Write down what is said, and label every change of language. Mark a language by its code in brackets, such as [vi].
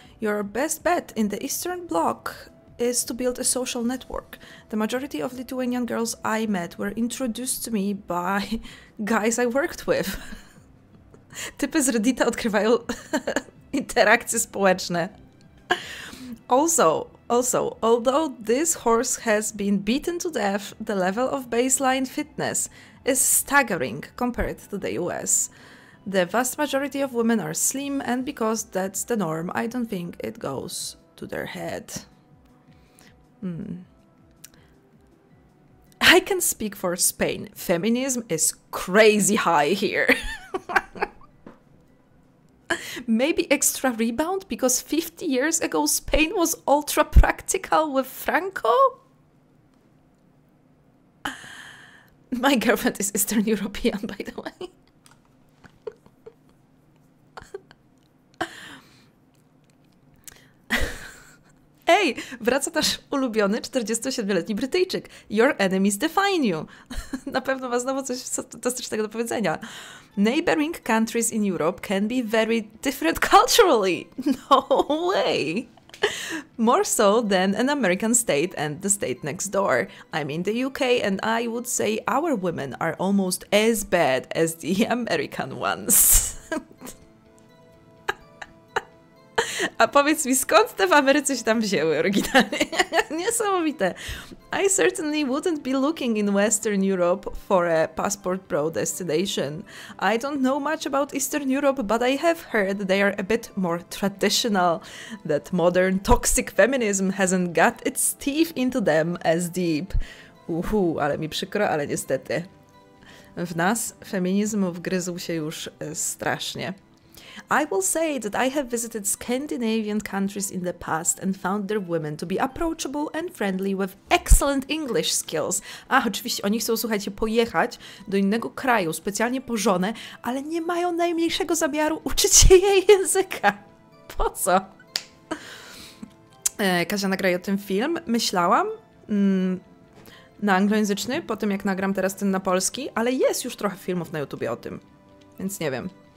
[en] Your best bet in the Eastern Bloc is to build a social network. The majority of Lithuanian girls I met were introduced to me by guys I worked with. [pl] Typy z Reddita odkrywają interakcje społeczne. [en] Also, although this horse has been beaten to death, the level of baseline fitness is staggering compared to the US. The vast majority of women are slim, and because that's the norm, I don't think it goes to their head. I can speak for Spain. Feminism is crazy high here. Maybe extra rebound because 50 years ago Spain was ultra practical with Franco? My girlfriend is Eastern European, by the way. [pl] Ej, wraca nasz ulubiony 47-letni Brytyjczyk. [en] Your enemies define you. [pl] Na pewno ma znowu coś fantastycznego do powiedzenia. [en] Neighboring countries in Europe can be very different culturally. No way. More so than an American state and the state next door. I'm in the UK and I would say our women are almost as bad as the American ones. [pl] A powiedz mi, skąd te w Ameryce się tam wzięły oryginalnie? Niesamowite. [en] I certainly wouldn't be looking in Western Europe for a passport pro destination. I don't know much about Eastern Europe, but I have heard they are a bit more traditional, that modern toxic feminism hasn't got its teeth into them as deep. [pl] Ale mi przykro, ale niestety. W nas feminizm wgryzł się już strasznie. [en] I will say that I have visited Scandinavian countries in the past and found their women to be approachable and friendly with excellent English skills. [pl] Ach, oczywiście, oni chcą, słuchajcie, pojechać do innego kraju, specjalnie po żonę, ale nie mają najmniejszego zamiaru uczyć się jej języka. Po co? Kasia, nagraj o tym film. Myślałam na anglojęzyczny, po tym jak nagram teraz ten na polski, ale jest już trochę filmów na YouTubie o tym, więc nie wiem.